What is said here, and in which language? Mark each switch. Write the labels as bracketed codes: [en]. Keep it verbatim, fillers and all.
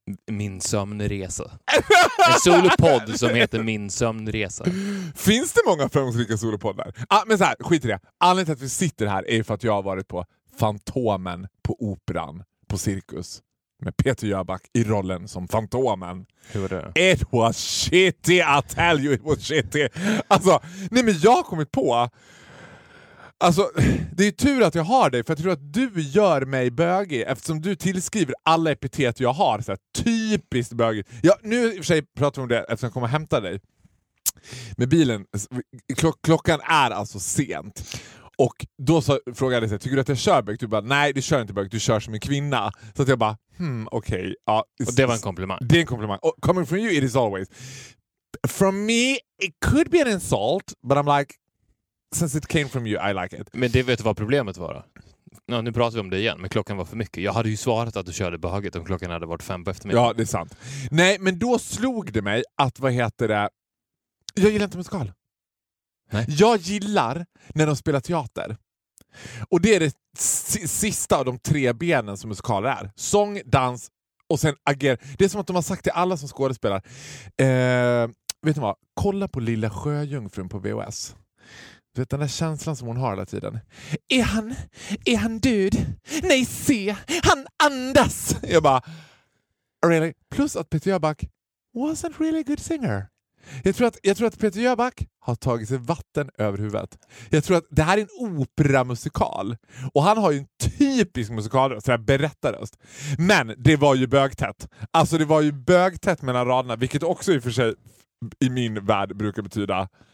[sv] Min sömnresa. En solopodd som heter Min sömnresa. Finns det många framgångsrika solopoddar? Ah, men så här, skit i det. Anledningen till att vi sitter här är för att jag har varit på Fantomen på Operan på Cirkus med Peter Jöback i rollen som Fantomen. Hur var det? [en] It was shitty, I tell you, it was shitty. [sv] Alltså, nej men jag har kommit på... Alltså, det är tur att jag har dig, för jag tror att du gör mig bögig eftersom du tillskriver alla epitet jag har så här, typiskt bögigt. Ja, nu i och för sig pratar vi om det eftersom jag kommer hämta dig med bilen. Klock, klockan är alltså sent. Och då så frågade jag dig, tycker du att jag kör bög? Du bara, nej det kör inte bög, du kör som en kvinna. Så att jag bara, hmm, okej. Okay, ja, och det var en komplimang. Det är en komplimang. [en] Och coming from you it is always. From me it could be an insult, but I'm like, since it came from you, I like it. [sv] Men det vet du vad problemet var då? Ja, nu pratar vi om det igen, men klockan var för mycket. Jag hade ju svarat att du körde behagligt om klockan hade varit fem på eftermiddagen. Ja, det är sant. Nej, men då slog det mig att, vad heter det? Jag gillar inte musikal. Nej. Jag gillar när de spelar teater. Och det är det sista av de tre benen som musikaler är. Sång, dans och sen ager. Det är som att de har sagt till alla som skådespelar. Eh, vet du vad? Kolla på Lilla Sjöjungfrun på V H S. Du vet den där känslan som hon har hela tiden. Är han? Är han död? Nej, se! Han andas! Jag bara... Really? [en] Plus att Peter Jöback wasn't really a good singer. [sv] Jag tror att, jag tror att Peter Jöback har tagit sig vatten över huvudet. Jag tror att det här är en operamusikal. Och han har ju en typisk musikalröst, sådär berättarröst. Men det var ju bögtätt. Alltså det var ju bögtätt mellan raderna. Vilket också i och för sig i min värld brukar betyda...